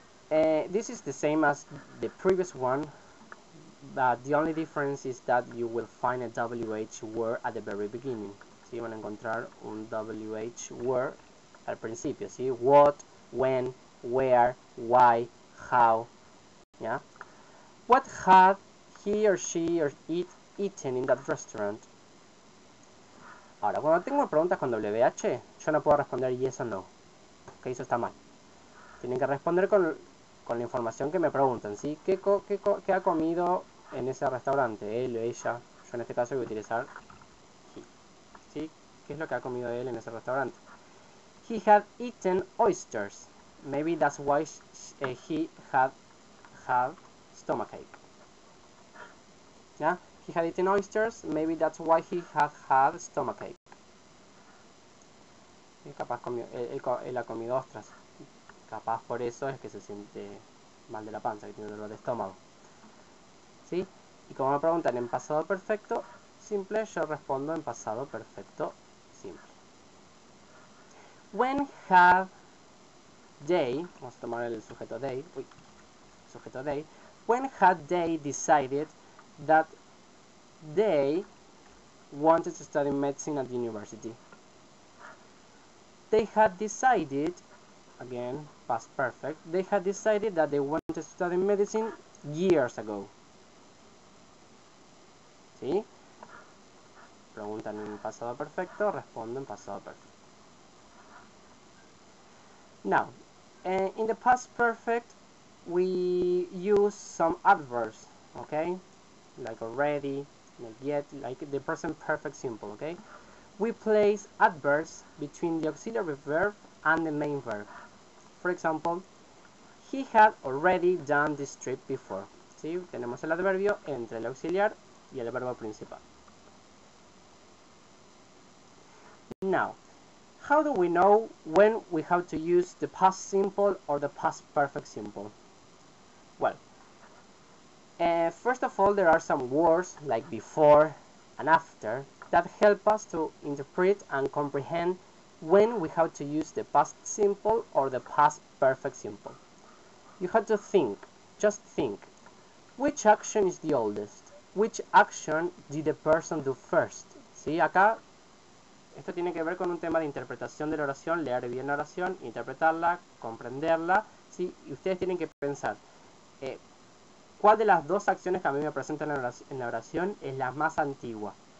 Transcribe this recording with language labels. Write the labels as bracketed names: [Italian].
[English] This is the same as the previous one, but the only difference is that you will find a WH word at the very beginning. [Spanish] Si, van a encontrar un WH word al principio. [English] Si, what, when, where, why, how. Yeah. What had he or she or it eaten in that restaurant? [Spanish] Ahora, cuando tengo preguntas con WH, yo no puedo responder yes o no. Okay, eso está mal. Tienen que responder con la información que me preguntan, ¿sí? ¿Qué ha comido en ese restaurante, él o ella, yo en este caso voy a utilizar ¿sí? ¿Qué es lo que ha comido él en ese restaurante? [English] He had eaten oysters. Maybe that's why he had stomachache. ¿Ya? He had eaten oysters. Maybe that's why he had stomachache. [Spanish] Es capaz comió, él ha comido ostras. Capaz por eso es que se siente mal de la panza, que tiene dolor de estómago. ¿Sí? Y como me preguntan en pasado perfecto simple, yo respondo en pasado perfecto simple. [English] When have they, [Spanish] vamos a tomar el sujeto [English] they, uy, sujeto they, when had they decided that they wanted to study medicine at the university? They had decided, again, past perfect, they had decided that they wanted to study medicine years ago. [Spanish] ¿Sí? Preguntan en pasado perfecto, respondo en pasado perfecto. [English] Now, in the past perfect, we use some adverbs, okay? Like already, like yet, like the present perfect simple, okay? We place adverbs between the auxiliary verb and the main verb. For example, he had already done this trip before. [Spanish] ¿Sí? Tenemos el adverbio entre el auxiliar y el verbo principal. [English] Now, how do we know when we have to use the past simple or the past perfect simple? Well, first of all, there are some words like before and after that help us to interpret and comprehend when we have to use the past simple or the past perfect simple. You have to think, just think, which action is the oldest? Which action did the person do first? ¿Sí? [Spanish] Acá, esto tiene que ver con un tema de interpretación de la oración, leer bien la oración, interpretarla, comprenderla, ¿sí? Y ustedes tienen que pensar, ¿cuál de las dos acciones que a mí me presentan en la oración es la más antigua?